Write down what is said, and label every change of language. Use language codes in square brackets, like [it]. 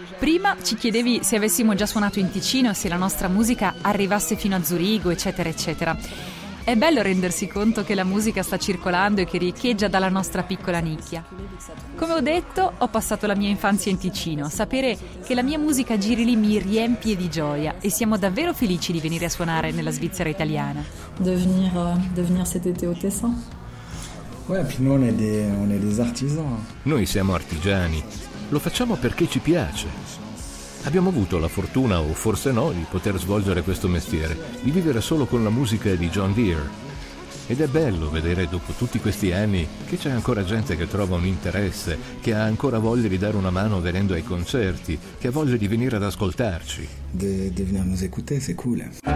[it] Prima ci chiedevi se avessimo già suonato in Ticino, se la nostra musica arrivasse fino a Zurigo, eccetera, eccetera. È bello rendersi conto che la musica sta circolando e che riecheggia dalla nostra piccola nicchia. Come ho detto, ho passato la mia infanzia in Ticino. Sapere che la mia musica giri lì mi riempie di gioia e siamo davvero felici di venire a suonare nella Svizzera italiana. [fr] Devenir cet été au Tessin. Ouais, puis nous on est des artisans. [it] Noi siamo artigiani. Lo facciamo perché ci piace. Abbiamo avuto la fortuna, o forse no, di poter svolgere questo mestiere, di vivere solo con la musica di John Deere. Ed è bello vedere, dopo tutti questi anni, che c'è ancora gente che trova un interesse, che ha ancora voglia di dare una mano venendo ai concerti, che ha voglia di venire ad ascoltarci. [fr] De venire a nous écouter, c'est cool.